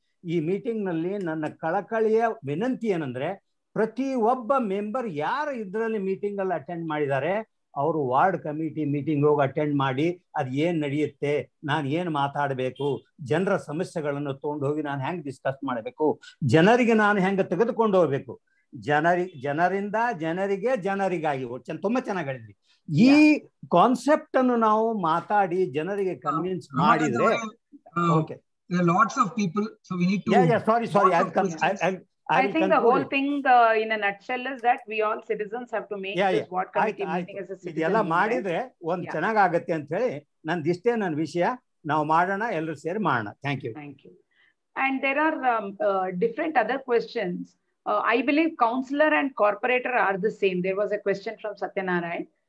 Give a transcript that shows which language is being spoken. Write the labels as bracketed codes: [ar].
[kn] ಈ ಮೀಟಿಂಗ್ನಲ್ಲಿ ನನ್ನ ಕಳಕಳಿಯ ವಿನಂತಿ ಏನಂದರೆ ಪ್ರತಿ ಒಬ್ಬ ಮೆಂಬರ್ ಯಾರು ಇದರಲ್ಲಿ ಮೀಟಿಂಗಲ್ಲಿ ಅಟೆಂಡ್ ಮಾಡಿದ್ದಾರೆ ಅವರು ವಾರ್ಡ್ ಕಮಿಟಿ ಮೀಟಿಂಗ್ ಹೋಗಿ ಅಟೆಂಡ್ ಮಾಡಿ ಅದು ಏನು ನಡೆಯುತ್ತೆ, ನಾನು ಏನು ಮಾತಾಡಬೇಕು, ಜನರ ಸಮಸ್ಯೆಗಳನ್ನು ತೊಗೊಂಡು ಹೋಗಿ ನಾನು ಹೆಂಗೆ ಡಿಸ್ಕಸ್ ಮಾಡಬೇಕು, ಜನರಿಗೆ ನಾನು ಹೆಂಗೆ ತೆಗೆದುಕೊಂಡು ಹೋಗಬೇಕು, ಜನರಿಂದ ಜನರಿಗೆ ಜನರಿಗಾಗಿ ತುಂಬಾ ಚೆನ್ನಾಗಿ ಹೇಳಿದ್ವಿ. ಈ ಕಾನ್ಸೆಪ್ಟ್ ಅನ್ನು ನಾವು ಮಾತಾಡಿ ಜನರಿಗೆ ಕನ್ವಿನ್ಸ್ ಮಾಡಿದ್ರೆ [en] Okay. Lots of people so we need to sorry I think the whole thing in a nutshell is that we all citizens have to make this ward committee meeting as a citizen. [kn] ಇದೆಲ್ಲ ಮಾಡಿದ್ರೆ ಒಂದು ಚೆನ್ನಾಗಿ ಆಗುತ್ತೆ ಅಂತ ಹೇಳಿ ನಂದು ಇಷ್ಟೇ ನನ್ನ ವಿಷಯ. ನಾವು ಮಾಡೋಣ, ಎಲ್ಲರೂ ಸೇರಿ ಮಾಡೋಣ. [en] Thank you. Thank you. And there are different other questions. I believe councillor and corporator are the same. There was a question from Satyanarayan.